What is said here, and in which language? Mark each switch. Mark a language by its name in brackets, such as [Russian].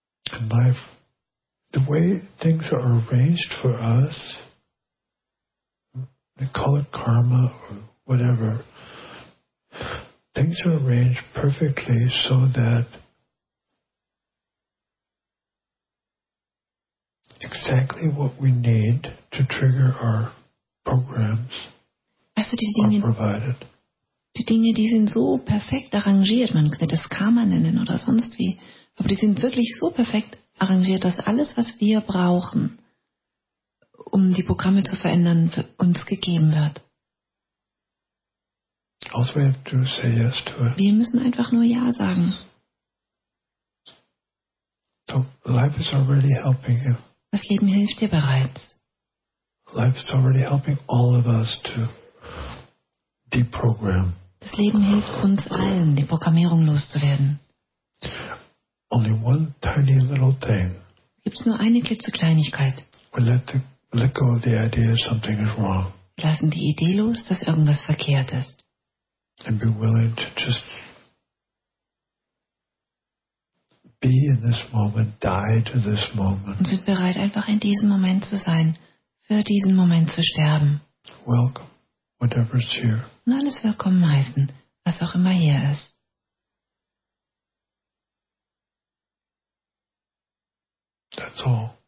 [English] And life, the way things are arranged for us, they call it karma or whatever, things are arranged perfectly so that exactly what we need to trigger our programs. [German] Also die Dinge, [English] are provided. [German] Die Dinge, die sind so perfekt arrangiert, man könnte das Karma nennen oder sonst wie, aber die sind wirklich so perfekt arrangiert, dass alles, was wir brauchen, um die Programme zu verändern, für uns gegeben wird. [English] Also we have to say yes to it. [German] Wir müssen einfach nur ja sagen. [English] So life is already helping you. [German] Das Leben hilft dir bereits. [English] Life is already helping all of us to deprogram. [German] Das Leben hilft uns allen, die Programmierung loszuwerden. [English] Only one tiny little thing. [German] Gibt's nur eine Klitzekleinigkeit. [English] We let go of the idea something is wrong. [German] Lassen die Idee los, dass irgendwas verkehrt ist. [English] And be willing to just be in this moment, die to this moment. [German] Und sind bereit, einfach in diesem Moment zu sein, für diesen Moment zu sterben. [English] Welcome, whatever's here. [German] Und alles willkommen heißen, was auch immer hier ist. [English] That's all.